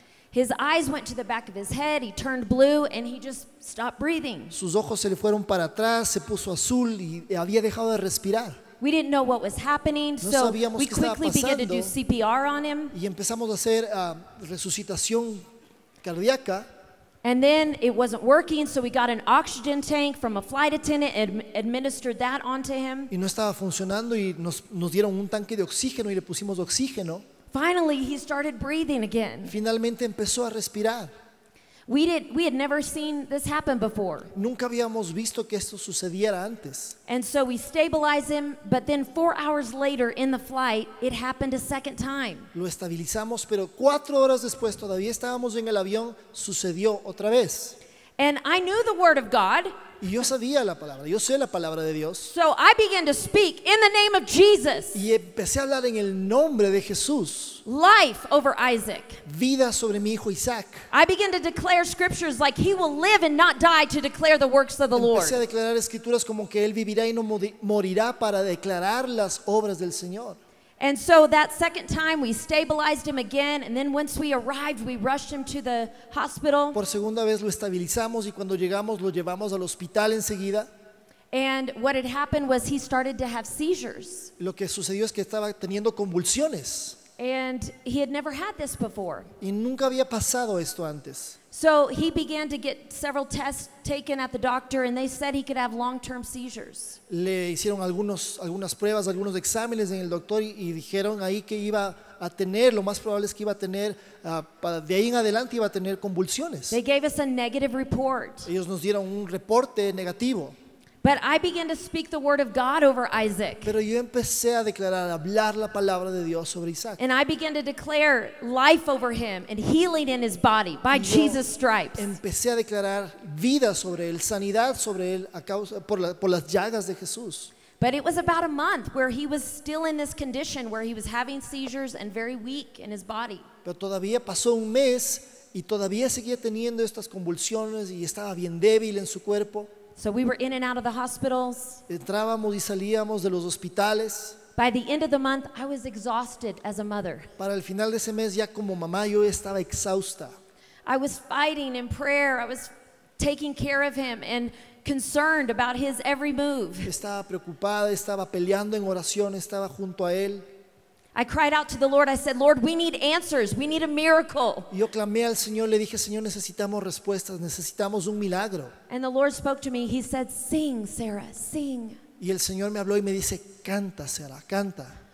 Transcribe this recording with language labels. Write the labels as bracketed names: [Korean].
[English] His eyes went to the back of his head, he turned blue, and he just stopped breathing. [Spanish] Sus ojos se le fueron para atrás, se puso azul y había dejado de respirar. [English] We didn't know what was happening, [Spanish] no [English] so we quickly began to do CPR on him. [Spanish] Y empezamos a hacer resucitación cardíaca. [English] And then it wasn't working, so we got an oxygen tank from a flight attendant and administered that onto him. [Spanish] Y no estaba funcionando y nos dieron un tanque de oxígeno y le pusimos oxígeno. [English] Finally, he started breathing again. [Spanish] Finalmente empezó a respirar. [English] We had never seen this happen before. [Spanish] Nunca habíamos visto que esto sucediera antes. [English] And so we stabilize him, but then 4 hours later in the flight, it happened a second time. [Spanish] Lo estabilizamos, pero 4 horas después, todavía estábamos en el avión, sucedió otra vez. [English] And I knew the word of God. [Spanish] Y yo sabía la palabra, yo sé la palabra de Dios. [English] So I began to speak in the name of Jesus. [Spanish] Y empecé a hablar en el nombre de Jesús. [English] Life over Isaac. [Spanish] Vida sobre mi hijo Isaac. [English] I began to declare scriptures like he will live and not die to declare the works of the [Spanish] empecé [English] Lord. [Spanish] Empecé a declarar escrituras como que él vivirá y no morirá para declarar las obras del Señor. [English] And so that second time we stabilized him again, and then once we arrived we rushed him to the hospital. [Spanish] Por segunda vez lo estabilizamos y cuando llegamos lo llevamos al hospital enseguida. [English] And what had happened was he started to have seizures. [Spanish] Lo que sucedió es que estaba teniendo convulsiones. [English] And he had never had this before. [Spanish] Y nunca había pasado esto antes. [English] So he began to get several tests taken at the doctor, and they said he could have long-term seizures. [Spanish] Le hicieron algunas pruebas, algunos exámenes en el doctor y dijeron ahí que iba a tener, lo más probable es que iba a tener, de ahí en adelante iba a tener convulsiones. [English] They gave us a negative report. [Spanish] Ellos nos dieron un reporte negativo. [English] But I began to speak the word of God over Isaac. [Spanish] Pero yo empecé a declarar, a hablar la palabra de Dios sobre Isaac. [English] And I began to declare life over him and healing in his body by Jesus' stripes. [Spanish] Empecé a declarar vida sobre él, sanidad sobre él a causa por las llagas de Jesús. [English] But it was about a month where he was still in this condition where he was having seizures and very weak in his body. [Spanish] Pero todavía pasó un mes y todavía seguía teniendo estas convulsiones y estaba bien débil en su cuerpo. [English] So we were in and out of the hospitals. [Spanish] Entrábamos y salíamos de los hospitales. [English] By the end of the month, I was exhausted as a mother. [Spanish] Para el final de ese mes, ya como mamá, yo estaba exhausta. [English] I was fighting in prayer. I was taking care of him and concerned about his every move. [Spanish] Estaba preocupada, estaba peleando en oración, estaba junto a él. [English] I cried out to the Lord. I said, Lord, we need answers. We need a miracle. [Spanish] Yo clamé al Señor. Le dije, Señor, necesitamos respuestas. Necesitamos un milagro. [English] And the Lord spoke to me. He said, sing, Sarah, sing. [Spanish] Y el Señor me habló y me dice, canta, Sarah, canta.